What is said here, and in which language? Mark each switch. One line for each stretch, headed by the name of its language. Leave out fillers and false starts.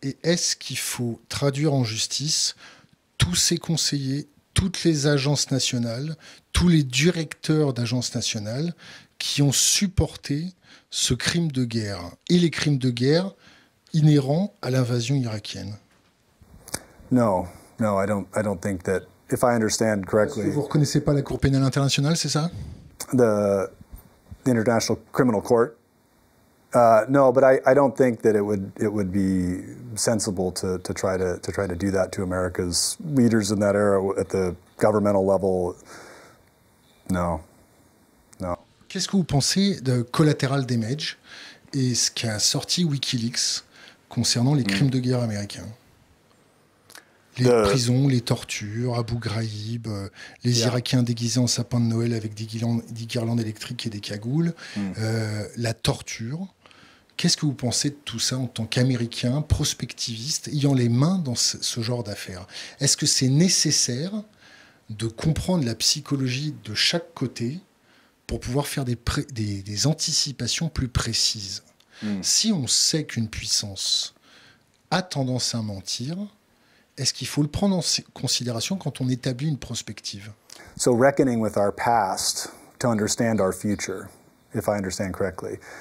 French: Et est-ce qu'il faut traduire en justice tous ses conseillers, toutes les agences nationales, tous les directeurs d'agences nationales qui ont supporté ce crime de guerre et les crimes de guerre inhérents à l'invasion irakienne?
English: No, I don't think that, if I understand correctly.
French: Vous reconnaissez pas la Cour pénale internationale, c'est ça?
English: The International Criminal Court. No, but I don't think that it would be sensible to try to do that to America's leaders in that era at the governmental level. No.
French: Qu'est-ce que vous pensez de collateral damage et ce qu'a sorti WikiLeaks concernant les crimes de guerre américains? Prisons, les tortures, Abu Ghraib, les Irakiens déguisés en sapins de Noël avec des guirlandes électriques et des cagoules, la torture. Qu'est-ce que vous pensez de tout ça en tant qu'Américain, prospectiviste, ayant les mains dans ce genre d'affaires? Est-ce que c'est nécessaire de comprendre la psychologie de chaque côté pour pouvoir faire des anticipations plus précises? Si on sait qu'une puissance a tendance à mentir, est-ce qu'il faut le prendre en considération quand on établit une prospective?
English: So reckoning with our past to understand our future, if I understand correctly.